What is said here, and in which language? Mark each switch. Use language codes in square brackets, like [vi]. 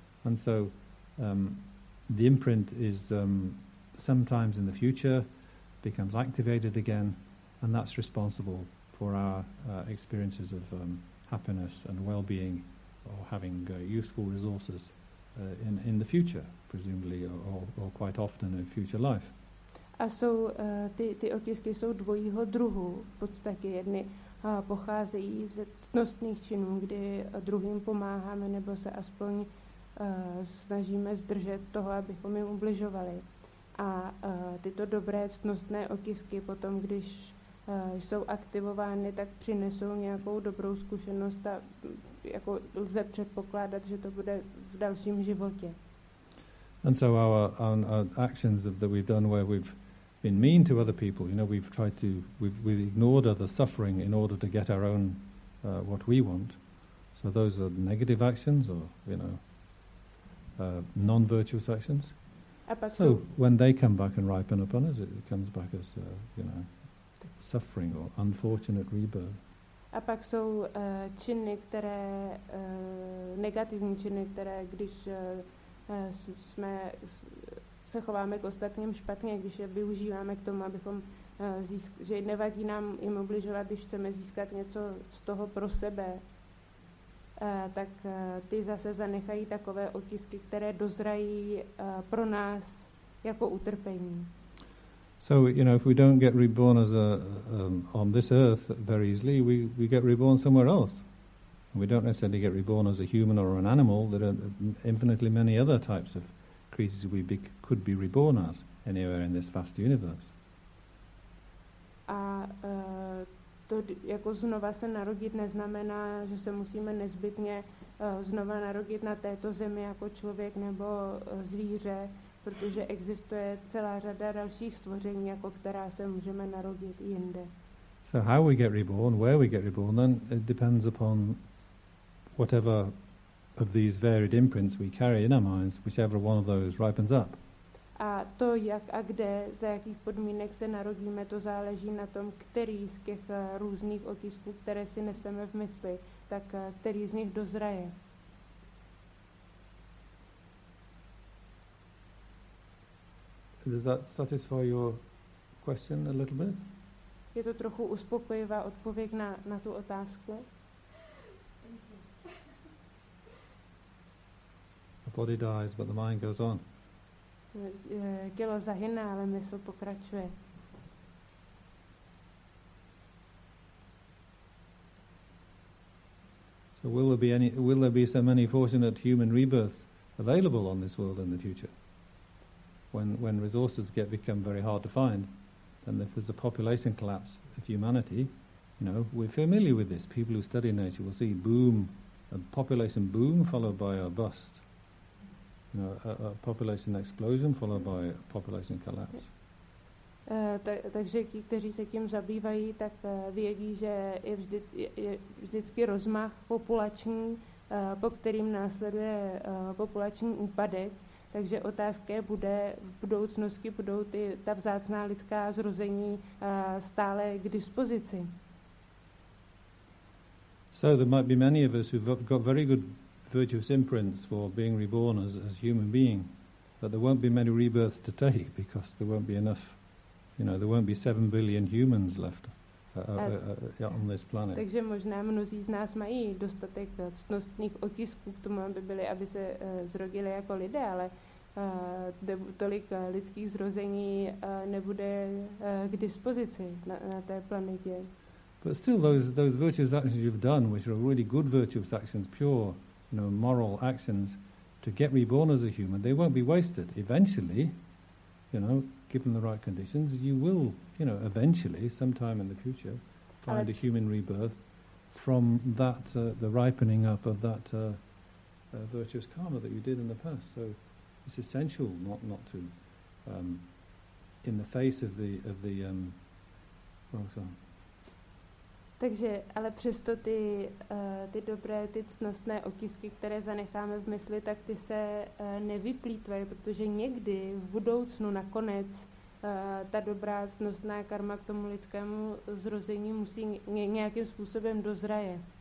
[en] And so the imprint is sometimes in the future, becomes activated again, and that's responsible for our experiences of happiness and well-being, or having useful resources in the future, presumably, or quite often in future life. [cs] A jsou ty otisky jsou dvojího druhu. V podstatě jedny pocházejí ze ctnostných činů, kdy druhým pomáháme nebo se aspoň snažíme zdržet toho, abychom jim ubližovali. A tyto dobré ctnostné otisky potom, když jsou aktivovány, tak přinesou nějakou dobrou zkušenost a jako lze předpokládat, že to bude v dalším životě. [en] And so our actions that we've done, where we've been mean to other people, you know, we've tried to we've ignored other suffering in order to get our own what we want. So those are negative actions, or you know, non-virtuous actions. So when they come back and ripen upon us, it comes back as you know, suffering or unfortunate rebirth. [cs] A pak jsou činy, které negativní činy, které když jsme se chováme k ostatním špatně, když je využíváme k tomu, abychom že nevadí nám jim obližovat, když chceme získat něco z toho pro sebe, tak ty zase zanechají takové otisky, které dozrají pro nás jako utrpení. [en] So, you know, if we don't get reborn as a on this earth very easily, we get reborn somewhere else. We don't necessarily get reborn as a human or an animal. There are infinitely many other types of creatures we could be reborn as anywhere in this vast universe. [cs] A to jako znova se narodit neznamená, že se musíme nezbytně znova narodit na této zemi jako člověk nebo zvíře, protože existuje celá řada dalších stvoření, jako která se můžeme narodit jinde. [en] So how we get reborn, where we get reborn, then it depends upon whatever of these varied imprints we carry in our minds, whichever one of those ripens up. [cs] A to, jak a kde, za jakých podmínek se narodíme, to záleží na tom, který z těch různých otisků, které si neseme v mysli, tak který z nich dozraje. [en] Does that satisfy your question a little bit? [cs] Je to trochu uspokojivá odpověď na tu otázku? [en] The body dies, but the mind goes on. [cs] Tělo zahyne, ale mysl pokračuje. [en] So will there be so many fortunate human rebirths available on this world in the future? When resources become very hard to find, then if there's a population collapse of humanity, you know, we're familiar with this. People who study nature will see boom, a population boom followed by a bust. You know, a population explosion followed by a population collapse. [cs] Takže ti, kteří se tím zabývají, tak vědí, že je vždycky rozmach populační, po kterým následuje populační úpadek. Takže otázka bude v budoucnosti, budou ta vzácná lidská zrození stále k dispozici. [en] So there might be many of us who've got very good virtuous imprints for being reborn as human being, but there won't be many rebirths to take because there won't be enough, you know, there won't be 7 billion humans left on this planet. [cs] Takže možná mnozí z nás mají dostatek ctnostných otisků k tomu, aby se zrodili jako lidé, ale tolik lidských zrození nebude k dispozici na té planetě. [en] But still those virtuous actions you've done, which are really good virtuous actions, pure, you know, moral actions, to get reborn as a human, they won't be wasted. Eventually, you know, given the right conditions, you will, you know, eventually, sometime in the future, find a human rebirth from that the ripening up of that virtuous karma that you did in the past. So it's essential not to, in the face of the wrong song. [cs] Takže, ale přesto ty dobré, ty ctnostné otisky, které zanecháme v mysli, tak ty se nevyplýtvají, protože někdy v budoucnu nakonec ta dobrá ctnostná karma k tomu lidskému zrození musí nějakým způsobem dozraje.